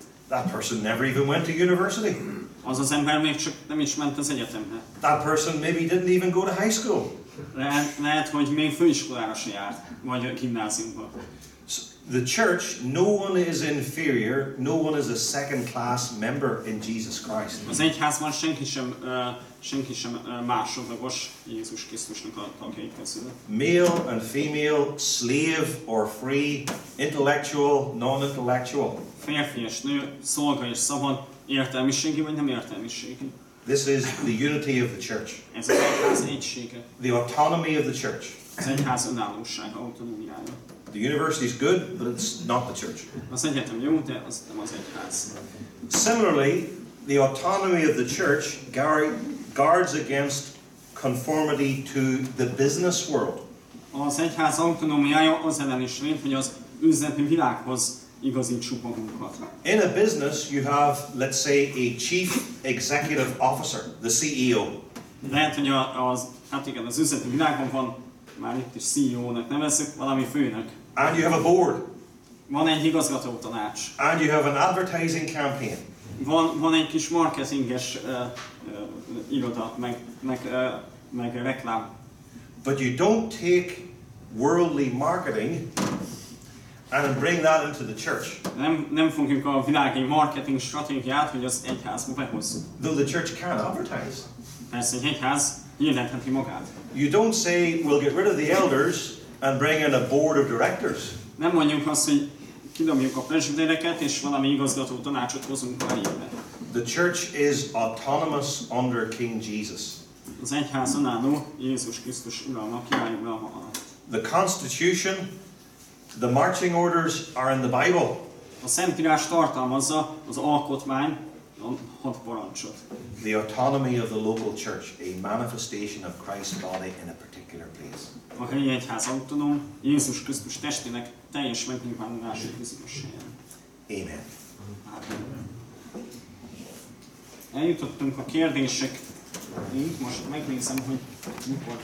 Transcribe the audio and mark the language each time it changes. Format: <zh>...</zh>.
<en>That person never even went to university.</en> <hu>Az az ember még csak nem is ment az egyetemre.</hu> <en>That person maybe didn't even go to high school.</en> <hu>Lehet, hogy még főiskolára se járt, vagy a gimnáziumba.</hu> <en>So, the church, no one is inferior, no one is a second-class member in Jesus Christ.</en> <hu>Az egyházban senki sem másodlagos Jézus Krisztusnak a tagjai közül.</hu> <en>Male and female, slave or free, intellectual, non-intellectual.</en> <hu>Férfi és nő, szolga és szabad, értelmiségi vagy nem értelmiségi.</hu> <en>This is the unity of the church.</en> <hu>Ez az egyház egysége.</hu> <en>The autonomy of the church.</en> <hu>Az egyház önállósága, autonómiája.</hu> <en>The university is good, but it's not the church.</en> <hu>Az egyetem jó, de az nem az egyház.</hu> <en>Similarly, the autonomy of the church guards against conformity to the business world.</en> <hu>Az egyház autonómiája az ellen is lép, hogy az üzleti világhoz igazítsuk magunkat.</hu> <en>In a business, you have, let's say, a chief executive officer, the CEO.</en> <hu>Lehet, hogy az, hát igen, az üzleti világban van, már itt is CEO-nak nevezzük, valami főnök.</hu> <en>And you have a board.</en> <hu>Van egy igazgatótanács.</hu> <en>And you have an advertising campaign.</en> <hu>Van egy kis marketinges iroda, meg reklám.</hu> <en>But you don't take worldly marketing and bring that into the church.</en> <hu>Nem fogjuk a világi marketing stratégiát, hogy az egyházba behozzuk.</hu> <en>Though the church can advertise.</en> <hu>Persze, egy egyház hirdetheti magát.</hu> <en>You don't say we'll get rid of the elders and bring in a board of directors.</en> <hu>Nem mondjuk azt, hogy kidobjuk a presbitereket és valami igazgató tanácsot hozunk a helyébe.</hu> <en>The church is autonomous under King Jesus.</en> <hu>Az egyház önálló Jézus Krisztus uralma, királyi uralma alatt.</hu> <en>The constitution, the marching orders are in the Bible.</en> <hu>A Szentírás tartalmazza az alkotmány, a hat parancsot.</hu> <en>The autonomy of the local church, a manifestation of Christ's body in a particular place.</en> <hu>A helyi egyház autonóm, Jézus Krisztus testének teljes megnyilvánulása bizonyos helyen.</hu> <en>Amen.</en> <hu>Eljutottunk a kérdések. Én most megnézem, hogy mikor...</hu>